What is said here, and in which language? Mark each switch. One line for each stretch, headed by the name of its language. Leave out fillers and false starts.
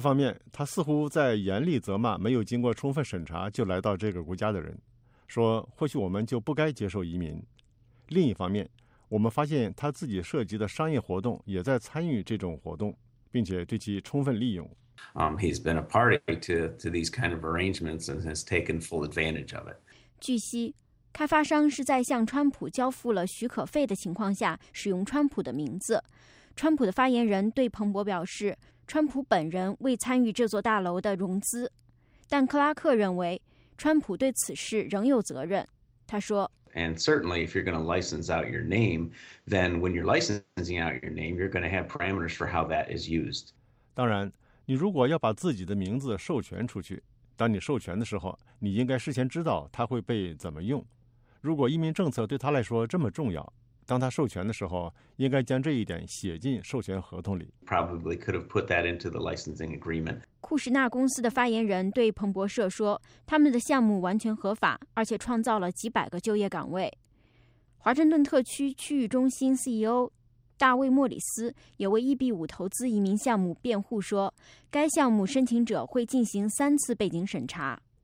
Chinese: 方面，他似乎在严厉责骂没有经过充分审查就来到这个国家的人，说或许我们就不该接受移民。另一方面，我们发现他自己涉及的商业活动也在参与这种活动，并且对其充分利用。
English: He's been a party to these kind of arrangements and has taken full advantage of it.
Chinese: 据悉，开发商是在向川普交付了许可费的情况下使用川普的名字。川普的发言人对彭博表示，川普本人未参与这座大楼的融资，但克拉克认为川普对此事仍有责任。他说，
English: And certainly, if you're going to license out your name, then when you're licensing out your name, you're going to have parameters for how that is used.
Chinese: 当然，你如果要把自己的名字授权出去，当你授权的时候，你应该事先知道它会被怎么用。如果移民政策对他来说这么重要，当他授权的时候，应该将这一点写进授权合同里。
English: Probably could have put that into the licensing agreement.
Chinese: 库什纳公司的发言人对彭博社说，他们的项目完全合法，而且创造了几百个就业岗位。华盛顿特区区域中心 CEO大卫·莫里斯也为1:5投资移民项目辩护说，该项目申请者会进行3次背景审查。